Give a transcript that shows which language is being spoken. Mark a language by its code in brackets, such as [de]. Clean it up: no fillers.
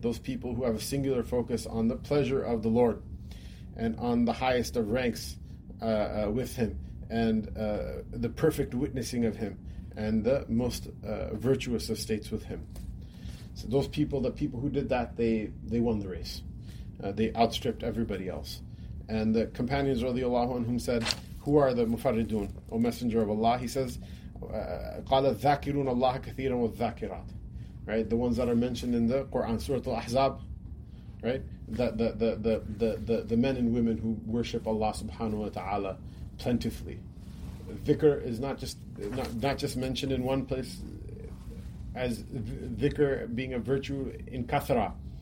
[en] Those people who have a singular focus on the pleasure of the Lord and on the highest of ranks with him, and the perfect witnessing of him, and the most virtuous of states with him. So those people, the people who did that, they won the race. They outstripped everybody else. And the companions radiallahu anhum said, who are the mufarridun, O Messenger of Allah? He says, [ar] قَالَ ذَاكِرُونَ اللَّهَ كَثِيرًا وَالذَّاكِرَاتِ. [en] Right, the ones that are mentioned in the Quran, Surah Al-Ahzab, right? The men and women who worship Allah subhanahu wa ta'ala plentifully. Dhikr is not just mentioned in one place as dhikr being a virtue in kathra.